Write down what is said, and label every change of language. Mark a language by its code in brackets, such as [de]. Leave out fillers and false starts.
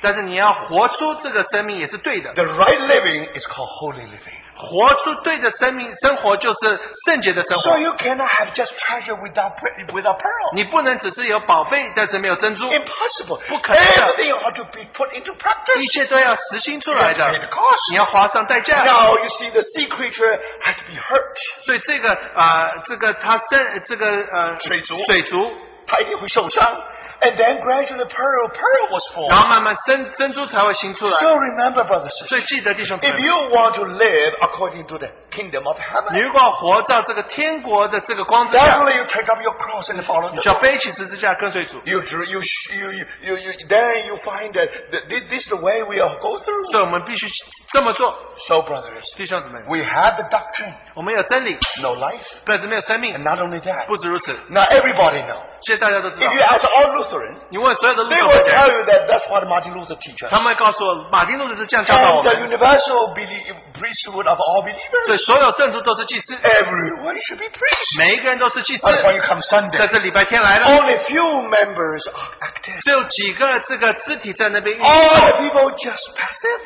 [zh] 但是你要活出这个生命也是对的, [en] the right living is called holy living. [zh] 活出对的生命生活就是圣洁的生活。 [en] So you cannot have just treasure without pearl. [zh] 你不能只是有宝贝但是没有珍珠。 [en] Impossible. [zh] 不可能的。 [en] Everything has to be put into practice. [zh] 一切都要实行出来的。 [en] You have to pay the cost. [zh] 你要花上代价。 [en] Now you see the sea creature has to be hurt. [zh] 所以这个水族。他一定会受伤, [en] and then gradually pearl was formed. [zh] 然后慢慢珍珠才会行出来。 [en] So remember, brothers and sisters, [zh] 所以记得弟兄们, [en] if you want to live according to the kingdom of heaven, [zh] 如果活在这个天国的这个光之下, [en] definitely you take up your cross and follow the Lord. [zh] 你需要背起十字架跟随主。 [en] Then you find that this is the way we all go through. [zh] 所以我们必须这么做。 [en] So brothers, [zh] 弟兄姊妹, [en] we have the doctrine. [zh] 我们有真理, [en] no life, [zh] 但是没有生命, [en] and not only that, [zh] 不止如此, [en] now everybody knows. If you ask all Lutheran, [zh] 你问所有的 [en] Lutheran, they will tell you that that's what Martin Luther teaches. [zh] 他们会告诉我马丁路德是这样教导我们。 [en] And the universal priesthood of all believers. [zh] 所以所有圣徒都是祭司。 [en] Everyone should be priest. [zh] 每一个人都是祭司。 [en] But when you come Sunday, [zh] 在这礼拜天来了, [en] only few members are active. [zh] 只有几个肢体在那边运动。 [en] All the people just passive.